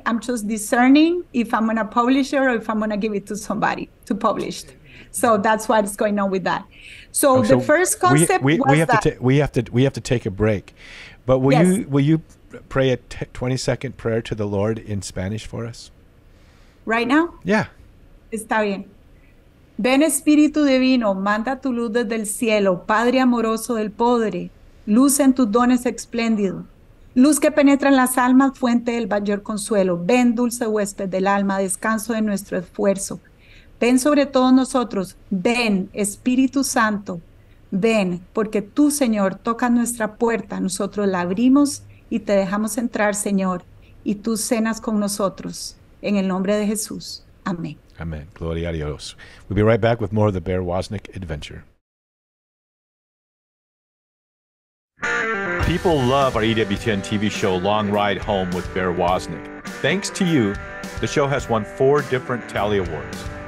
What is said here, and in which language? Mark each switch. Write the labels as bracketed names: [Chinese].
[English] I'm just discerning if I'm going to publish it, or if I'm going to give it to somebody to publish it. So that's what's going on with that. The first concept we have to take a break. But will you pray a 20-second prayer to the Lord in Spanish for us? Right now? Yeah. [Spanish] Está bien. Ven Espíritu Divino, manda tu luz desde el cielo, Padre amoroso del Padre, luz en tus dones espléndido, luz que penetra en las almas, fuente del mayor consuelo. Ven dulce huésped del alma, descanso de nuestro esfuerzo. Ven sobre todos nosotros, ven Espíritu Santo, ven, porque tú, Señor, tocas nuestra puerta, nosotros la abrimos y te dejamos entrar, Señor, y tú cenas con nosotros, en el nombre de Jesús. Amén. Amén. Gloria a Dios. [English] We'll be right back with more of the Bear Woznick Adventure. People love our EWTN TV show, Long Ride Home with Bear Woznick. Thanks to you, the show has won 4 different Tally Awards.